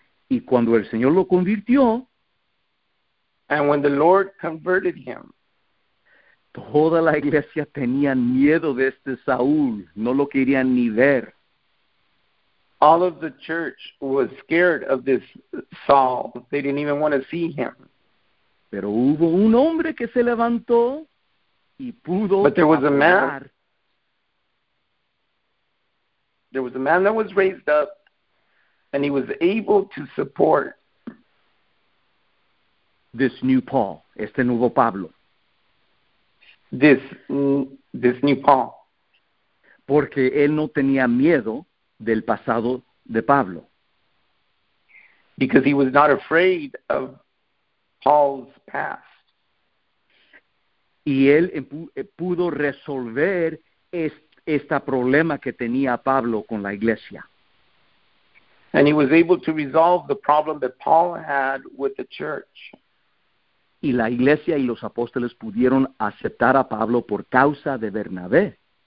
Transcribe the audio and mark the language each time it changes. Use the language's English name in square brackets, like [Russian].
[Spanish] Y cuando el Señor lo convirtió, [English] and when the Lord converted him, [Spanish] toda la iglesia tenía miedo de este Saúl, no lo querían ni ver. [English] All of the church was scared of this Saul, they didn't even want to see him. [Spanish] Pero hubo un hombre que se levantó y pudo. [English] But there was a man. There was a man that was raised up and he was able to support this new Paul, [Spanish] este nuevo Pablo. [English] This new Paul. [Spanish] Porque él no tenía miedo del pasado de Pablo. [English] Because he was not afraid of Paul's past. [Spanish] Y él pudo resolver este problema que tenía Pablo con la iglesia. [English] And he was able to resolve the problem that Paul had with the church. [Spanish] Y la iglesia y los apóstoles pudieron aceptar a Pablo por causa de Bernabé.